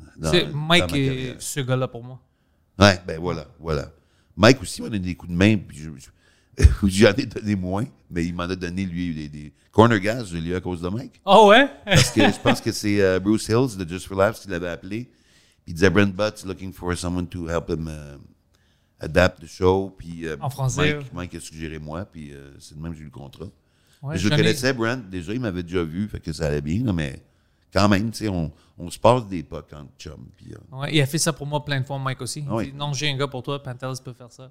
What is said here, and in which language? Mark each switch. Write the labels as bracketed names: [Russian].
[French] C'est Mike et ce gars-là pour moi. Ouais, ben voilà. Mike aussi m'a donné des coups de main. Puis j'en ai donné moins, mais il m'en a donné, lui, des corner gas, je l'ai eu à cause de Mike. Ah oh, ouais? Parce que je pense que c'est Bruce Hills de Just for Laughs qui l'avait appelé. [English] Puis il disait, Brent Butts looking for someone to help him adapt the show. [French] Puis, en français. Mike a suggéré moi, puis c'est de même que j'ai eu le contrat. Ouais, je connaissais Brent, déjà, il m'avait déjà vu, fait que ça allait bien, mais quand même, tu sais, on se passe des pas quand chum. Pis, ouais, il a fait ça pour moi plein de fois, Mike aussi. Il ouais. dit, non, j'ai un gars pour toi, Pantelis peut faire ça.